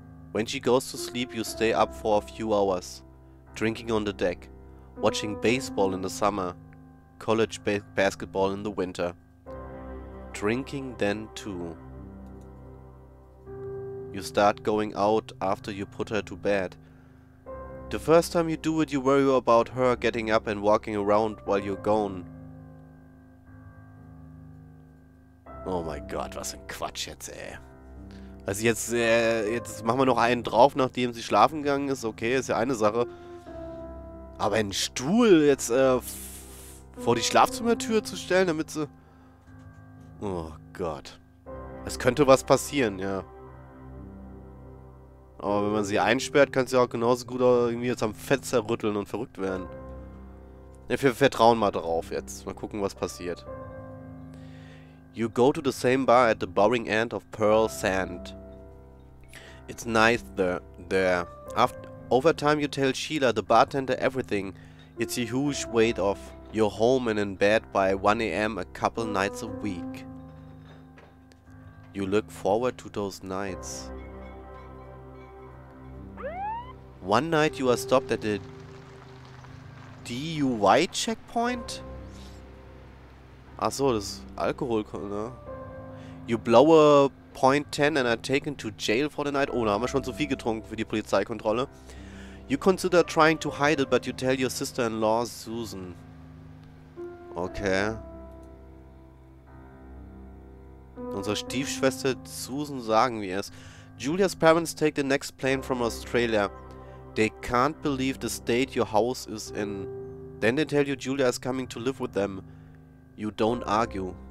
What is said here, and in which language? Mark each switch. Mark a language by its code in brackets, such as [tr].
[en] When she goes to sleep, you stay up for a few hours, drinking on the deck, watching baseball in the summer, college basketball in the winter. Drinking then too. You start going out after you put her to bed. The first time you do it, you worry about her getting up and walking around while you're gone. [de] Oh my god, was ein Quatsch jetzt, ey. Also jetzt machen wir noch einen drauf, nachdem sie schlafen gegangen ist. Okay, ist ja eine Sache. Aber einen Stuhl jetzt vor die Schlafzimmertür zu stellen, damit sie... Oh Gott. Es könnte was passieren, ja. Aber wenn man sie einsperrt, kann sie auch genauso gut irgendwie jetzt am Fett zerrütteln und verrückt werden. Ja, wir vertrauen mal drauf jetzt. Mal gucken, was passiert. [en] You go to the same bar at the boring end of Pearl Sand. It's nice there. Over time you tell Sheila, the bartender, everything. It's a huge weight off. You're home and in bed by 1 AM a couple nights a week. You look forward to those nights. One night you are stopped at a DUI checkpoint? [de] Achso, das ist Alkohol, ne? [en] You blow a .10 and are taken to jail for the night. [de] Oh, da haben wir schon zu viel getrunken für die Polizeikontrolle. [en] You consider trying to hide it, but you tell your sister-in-law, Susan. Okay. [de] Unsere Stiefschwester Susan sagen wir es. [en] Julia's parents take the next plane from Australia. They can't believe the state your house is in. Then they tell you Julia is coming to live with them. You don't argue.